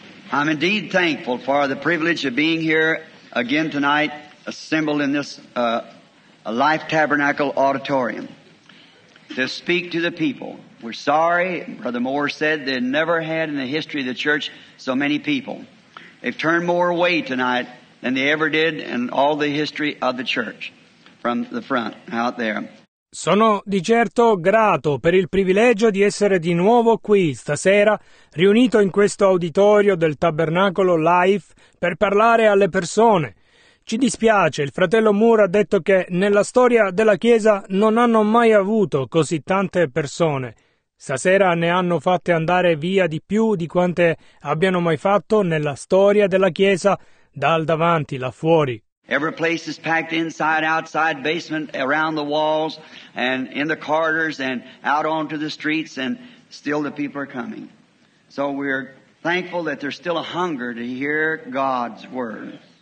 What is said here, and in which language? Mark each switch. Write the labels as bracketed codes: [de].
[en] I'm indeed thankful for the privilege of being here again tonight, assembled in this Life Tabernacle Auditorium, to speak to the people. We're sorry, Brother Moore said, they never had in the history of the church so many people. They've turned more away tonight than they ever did in all the history of the church from the front out there. [it] Sono di certo grato per il privilegio di essere di nuovo qui stasera, riunito in questo auditorio del Tabernacolo Life per parlare alle persone. Ci dispiace, il fratello Moore ha detto che nella storia della Chiesa non hanno mai avuto così tante persone. Stasera ne hanno fatte andare via di più di quante abbiano mai fatto nella storia della Chiesa, dal davanti, là fuori. [en] Every place is packed inside, outside, basement, around the walls, and in the corridors, and out onto the streets, and still the people are coming. So we're thankful that there's still a hunger to hear God's word.